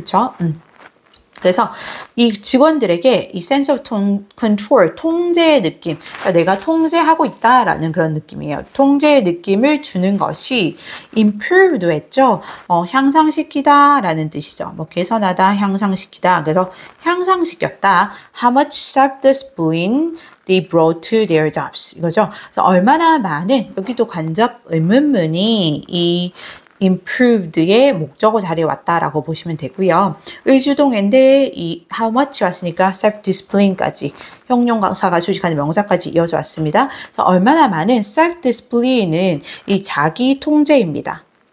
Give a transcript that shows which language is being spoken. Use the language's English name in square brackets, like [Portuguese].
[Korean] 그쵸? 그래서 이 직원들에게 이 [English] sense of control, [Korean] 통제의 느낌, 내가 통제하고 있다라는 그런 느낌이에요. 통제의 느낌을 주는 것이 improve도 했죠. 향상시키다라는 뜻이죠. 뭐 개선하다, 향상시키다. 그래서 향상시켰다. [English] How much have this been they brought to their jobs? [Korean] 이거죠. 그래서 얼마나 많은, 여기도 간접 의문문이 improved의 목적어 자리에 왔다라고 보시면 되고요. 의주동에 이 how much 왔으니까 self discipline까지 형용사가 수식하는 명사까지 이어져 왔습니다. 그래서 얼마나 많은 self discipline은 이 자기 통제입니다.